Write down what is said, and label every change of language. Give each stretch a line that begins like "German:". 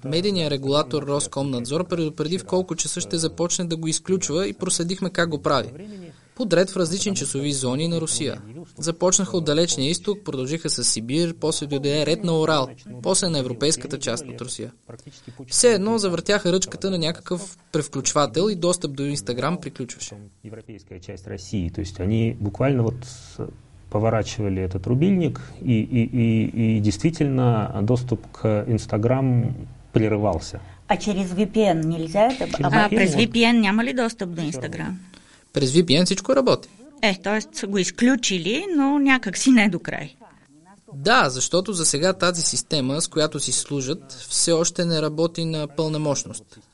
Bulgarian: Медийният регулатор Роскомнадзор предупреди в колко часа ще започне да го изключва и проследихме как го прави. Подред в различни часови зони на Русия. Започнаха от далечния изток, продължиха с Сибир, после дойде ред на Орал, после на европейската част от Русия. Все едно завъртяха ръчката на някакъв превключвател и достъп до Инстаграм приключваше.
Russian: Европейская часть России, то есть они буквально вот поворачивали этот рубильник и действительно доступ к Инстаграм прерывался. А через VPN нельзя это?
Bulgarian: А през VPN няма ли достъп до Инстаграм? През VPN всичко работи. Т.е. са го изключили, но някак си не до край. Да, защото за сега тази система, с която си служат, все още не работи на пълна мощност.